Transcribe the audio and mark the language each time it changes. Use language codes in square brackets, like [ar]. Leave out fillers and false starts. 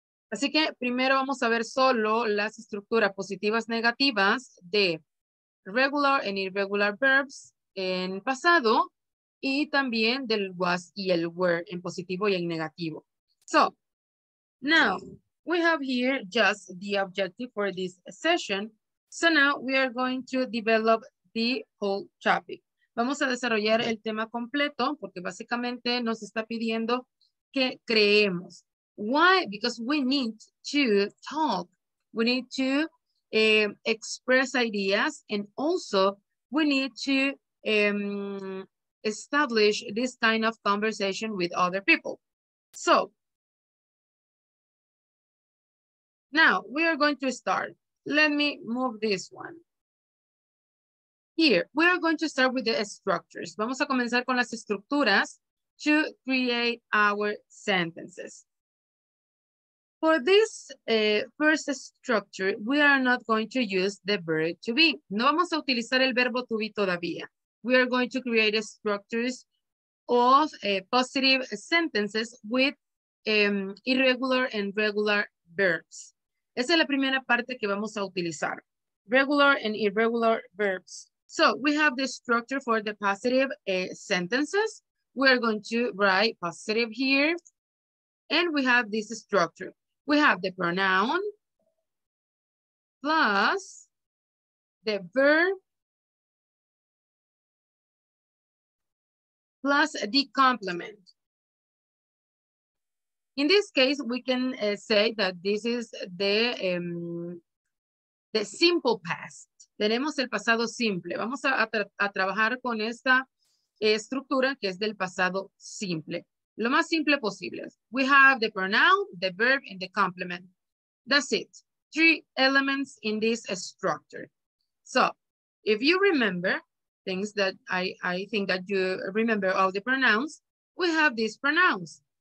[es] Así que primero vamos a ver solo las estructuras positivas negativas de [en] regular and irregular verbs [es] en pasado, y también del was y el were en positivo y en negativo. [en] So, now we have here just the objective for this session. So now we are going to develop the whole topic. [es] Vamos a desarrollar el tema completo porque básicamente nos está pidiendo que creemos. [en] Why? Because we need to talk. We need to express ideas, and also we need to establish this kind of conversation with other people. So now we are going to start. Let me move this one. Here, we are going to start with the structures. [es] Vamos a comenzar con las estructuras [en] to create our sentences. For this first structure, we are not going to use the verb to be. [es] No vamos a utilizar el verbo to be todavía. [en] We are going to create structures of positive sentences with irregular and regular verbs. [es] Esa es la primera parte que vamos a utilizar. [en] Regular and irregular verbs. So we have the structure for the positive sentences. We are going to write positive here. And we have this structure. We have the pronoun plus the verb plus the complement. In this case, we can say that this is the simple past. [es] Tenemos el pasado simple. Vamos a trabajar con esta estructura que es del pasado simple. Lo más simple posible. [en] We have the pronoun, the verb, and the complement. That's it. Three elements in this structure. So, if you remember things that I think that you remember all the pronouns, we have these pronouns.